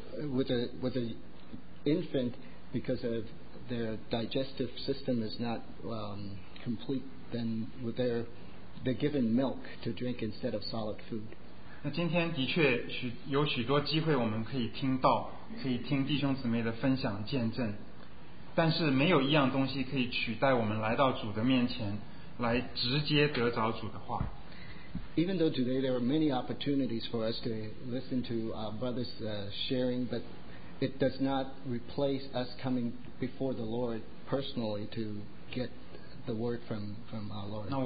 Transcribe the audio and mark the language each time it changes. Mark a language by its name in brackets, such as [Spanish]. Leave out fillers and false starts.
[English] With the infant, because of their digestive system is not complete, then they're given milk to drink instead of solid food. [Chinese] 那今天的确有许多机会我们可以听到，可以听弟兄姊妹的分享见证。但是没有一样东西可以取代我们来到主的面前，来直接得着主的话。 [English] Even though today there are many opportunities for us to listen to our brothers sharing, but it does not replace us coming before the Lord personally to get the word from our Lord.